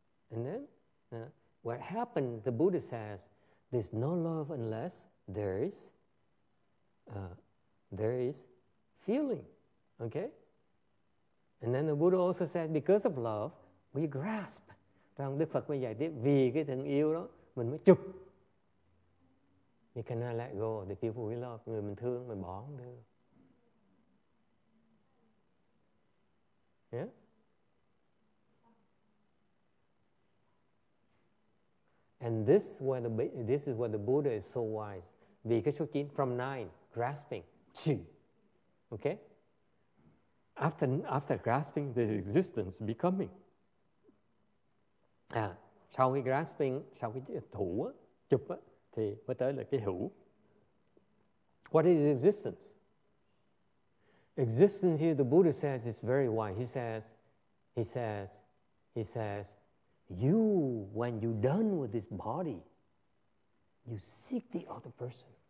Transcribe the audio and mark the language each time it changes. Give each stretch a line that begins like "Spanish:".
English: And then, what happened, the Buddha says, there's no love unless there is feeling, okay? And then the Buddha also said, because of love, we grasp.
Vietnamese: Trong Đức Phật mới giải thích, vì cái tình yêu đó, mình mới chụp.
English: We cannot let go of the people we love.
Vietnamese: Người mình thương, mình bỏ không được.
English: Yeah? And this is where the Buddha is so wise.
Vietnamese: Vì cái số 9,
English: from 9, grasping. Okay? After grasping, the existence becoming.
Vietnamese: Sau khi grasping, sau khi thủ chụp thì mới tới là cái hữu.
English: What is existence? Existence here, the Buddha says, is very wide. He says, you, when you're done with this body, you seek the other person.